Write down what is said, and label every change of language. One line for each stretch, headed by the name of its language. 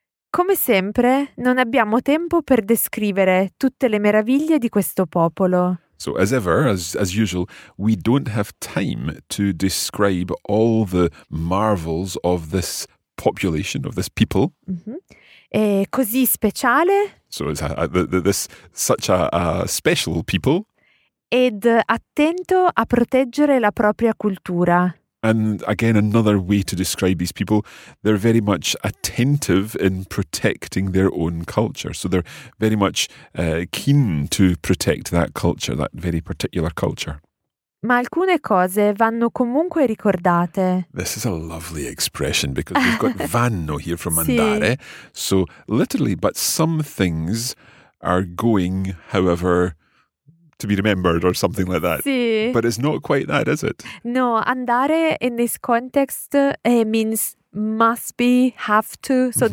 Italian: Come sempre, non abbiamo tempo per descrivere tutte le meraviglie di questo popolo.
English: So, as ever, as usual, we don't have time to describe all the marvels of this population, of this people.
Italian: Mm-hmm. È così speciale.
English: So it's this such a special people.
Italian: Ed attento a proteggere la propria cultura.
English: And again, another way to describe these people, they're very much attentive in protecting their own culture. So they're very much keen to protect that culture, that very particular culture.
Italian: Ma alcune cose vanno comunque ricordate.
English: This is a lovely expression because we've got vanno here from andare. Sì. So literally, but some things are going, however, to be remembered or something like that. Sì. But it's not quite that, is it? No, andare in this context means must be, have to. So mm-hmm.